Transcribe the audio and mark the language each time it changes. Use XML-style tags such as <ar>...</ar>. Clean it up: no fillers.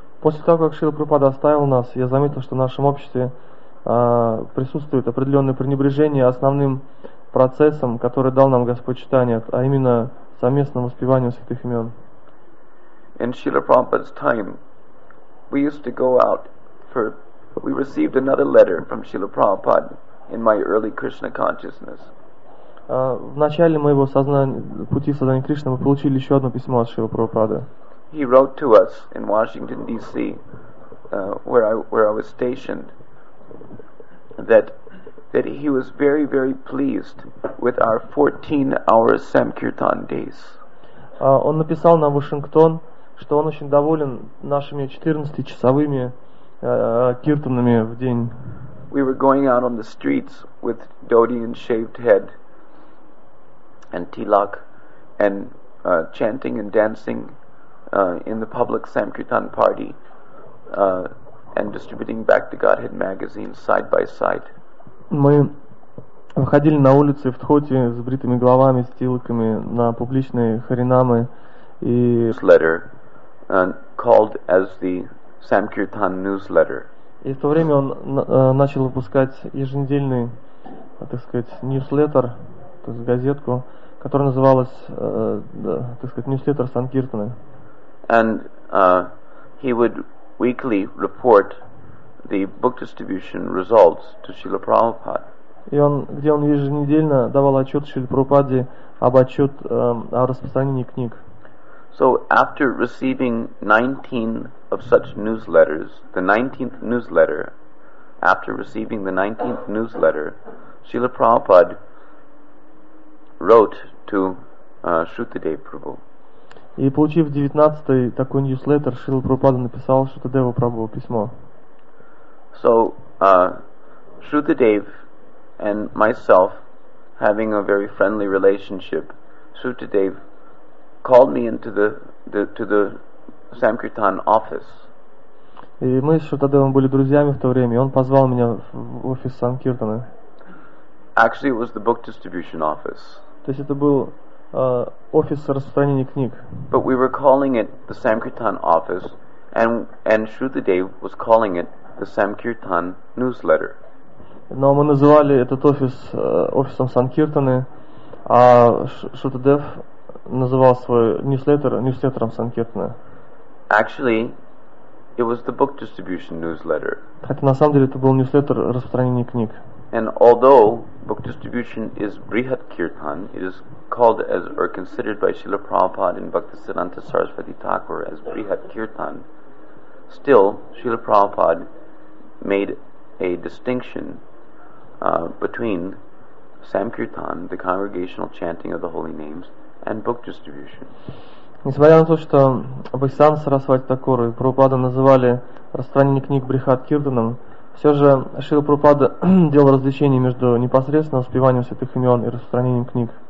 <ru>После того, как Шрила Прабхупада оставил нас, я заметил, что в нашем обществе присутствует определенное пренебрежение основным процессом, который дал нам Господь Чайтанья, а именно совместному воспеванию святых имен.</ru> <en>In Srila Prabhupada's time, we used to go out for... We received another letter from Srila Prabhupada in my early Krishna consciousness.</en> <ru>В начале моего сознания, пути сознания Кришны, мы получили еще одно письмо от Шрила Прабхупады.</ru> <en>He wrote to us in Washington, D.C., where I was stationed, that he was very, very pleased with our 14-hour Samkirtan days.</en> <ru>Он написал нам в Вашингтон, что он очень доволен нашими 14-часовыми киртанами в день.</ru> <en>We were going out on the streets with dhoti and shaved head and tilak and chanting and dancing in the public Samkirtan party and distributing Bhakti Godhead magazines side by side.</en> <ru>Мы выходили на улицы в дхоти с бритыми головами, с тилаками на публичные харинамы и...</ru> <en>This letter, called as the Samkirtan newsletter.</en> <ru>И в то время он начал выпускать еженедельный, так сказать, newsletter, то есть газетку, которая называлась, так сказать, newsletter Sankirtana.</ru> <en>And he would weekly report the book distribution results to Srila Prabhupada.</en> <ru>И он, где он еженедельно давал отчет Шриле Прабхупаде об отчет о распространении книг.</ru> <en>So after receiving 19 of such newsletters, the 19th newsletter, after receiving the 19th newsletter, Srila Prabhupada wrote to Shrutadeva Prabhu.</en> <ru>И получив 19-й такой newsletter, Шрила Прабхупада написал Шрутадеву Прабху письмо.</ru> <en>So, Shrutadeva and myself having a very friendly relationship, Shrutadeva called me into to the Samkirtan office.</en> <ru>И мы с Шрутадевом были друзьями в то время, и он позвал меня в офис Санкиртаны.</ru> <en>Actually, it was the book distribution office.</en> <ru>То есть это был офис распространения книг.</ru> <en>But we were calling it the Samkirtan office, and Shrutadeva was calling it the Samkirtan newsletter.</en> <ru>Но мы называли этот офис офисом Санкиртаны, а Шрутадев называл свой newsletter newsletter-ом Санкиртаны.</ru> <en>Actually, it was the book distribution newsletter.</en> <ru>Хотя на самом деле это был newsletter распространения книг.</ru> <en>And although book distribution is Brihat Kirtan, it is called as or considered by Srila Prabhupada in Bhaktisiddhanta Sarasvati Thakur as Brihat Kirtan, still Srila Prabhupada made a distinction between Samkirtan, the congregational chanting of the holy names, and book distribution.</en> <ru>Несмотря на то, что Бхактисиддханта Сарасвати Такур и Прабхупада называли распространение книг Брихат Киртаном, все же Шрила Прабхупада делал различение между непосредственно воспеванием святых имен и распространением книг.</ru>